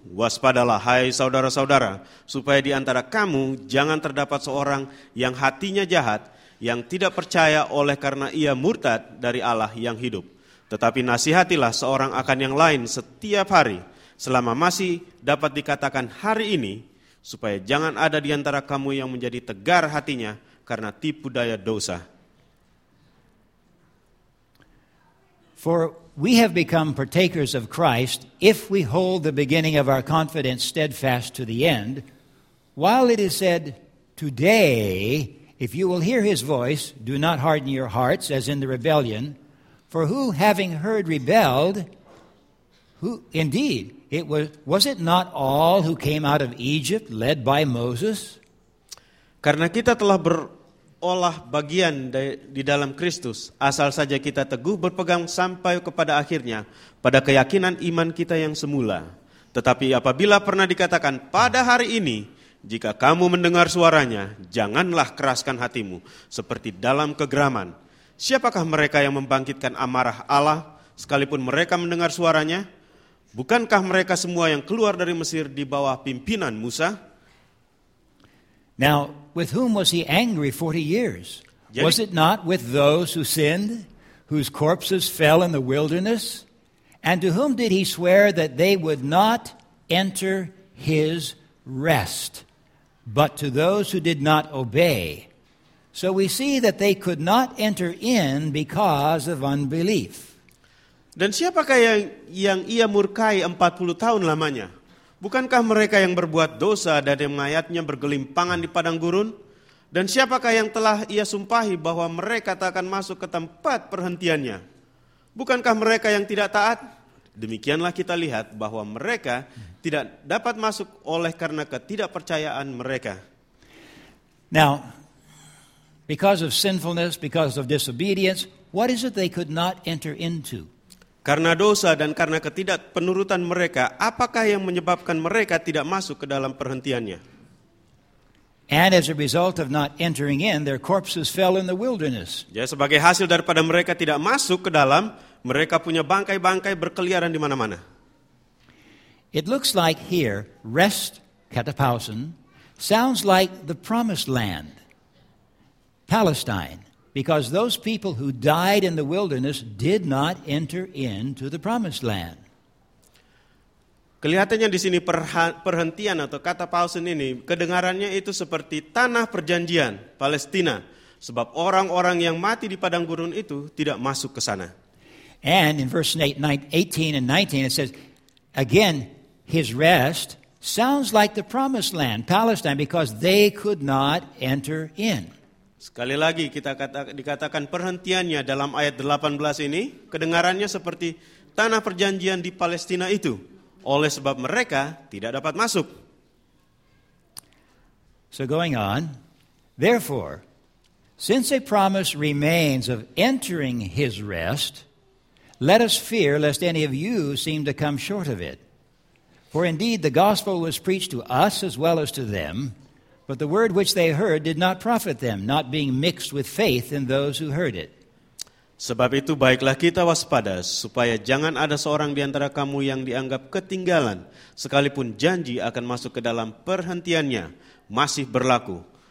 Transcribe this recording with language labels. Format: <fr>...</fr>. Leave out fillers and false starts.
<id>Waspadalah, hai saudara-saudara, supaya di antara kamu jangan terdapat seorang yang hatinya jahat, yang tidak percaya oleh karena ia murtad dari Allah yang hidup. Tetapi nasihatilah seorang akan yang lain setiap hari, selama masih dapat dikatakan hari ini, supaya jangan ada di antara kamu yang menjadi tegar hatinya karena tipu daya dosa.</id> <en>For we have become partakers of Christ if we hold the beginning of our confidence steadfast to the end. While it is said, today, if you will hear his voice, do not harden your hearts as in the rebellion. For who having heard rebelled? Who indeed, was it not all who came out of Egypt led by Moses?</en> <id>Karena kita telah berolah bagian di dalam Kristus, asal saja kita teguh berpegang sampai kepada akhirnya pada keyakinan iman kita yang semula. Tetapi apabila pernah dikatakan pada hari ini, jika kamu mendengar suaranya, janganlah keraskan hatimu seperti dalam kegeraman. Siapakah mereka yang membangkitkan amarah Allah sekalipun mereka mendengar suaranya? Bukankah mereka semua yang keluar dari Mesir di bawah pimpinan Musa?</id> <en>Now, with whom was he angry 40 years?</en> <id>Jadi,</id> <en>was it not with those who sinned, whose corpses fell in the wilderness? And to whom did he swear that they would not enter his rest, but to those who did not obey? So we see that they could not enter in because of unbelief.</en> <id>Dan siapakah yang ia murkai 40 tahun lamanya? Bukankah mereka yang berbuat dosa dan mayatnya bergelimpangan di padang gurun? Dan siapakah yang telah ia sumpahi bahwa mereka tak akan masuk ke tempat perhentiannya? Bukankah mereka yang tidak taat? Demikianlah kita lihat bahwa mereka tidak dapat masuk oleh karena ketidakpercayaan mereka.</id> <en>Now, Because of sinfulness, because of disobedience, what is it they could not enter into?</en> <id>Karena dosa dan karena ketidakpenurutan mereka, apakah yang menyebabkan mereka tidak masuk ke dalam perhentiannya?</id> <en>And as a result of not entering in, their corpses fell in the wilderness.</en> <id>Ya, sebagai hasil daripada mereka tidak masuk ke dalam, mereka punya bangkai-bangkai berkeliaran di mana-mana.</id> <en>It looks like here, rest, katapausen, sounds like the promised land, Palestine. Because those people who died in the wilderness did not enter into the promised land.</en> <id>Kelihatannya di sini perhentian atau kata pausen ini, kedengarannya itu seperti tanah perjanjian, Palestina. Sebab orang-orang yang mati di padang gurun itu tidak masuk ke sana.</id> <en>And in verse 18 and 19 it says, again, his rest sounds like the promised land, Palestine, because they could not enter in.</en> <id>Sekali lagi kita dikatakan perhentiannya dalam ayat 18 ini, kedengarannya seperti tanah perjanjian di Palestina itu, oleh sebab mereka tidak dapat masuk.</id> <en>So going on, therefore, since a promise remains of entering his rest, let us fear lest any of you seem to come short of it. For indeed the gospel was preached to us as well as to them, but the word which they heard did not profit them, not being mixed with faith in those who heard it.</en> <id>Sebab itu baiklah kita waspada, supaya jangan ada seorang di antara kamu yang dianggap ketinggalan, sekalipun janji akan masuk ke dalam perhentiannya, masih berlaku.</id>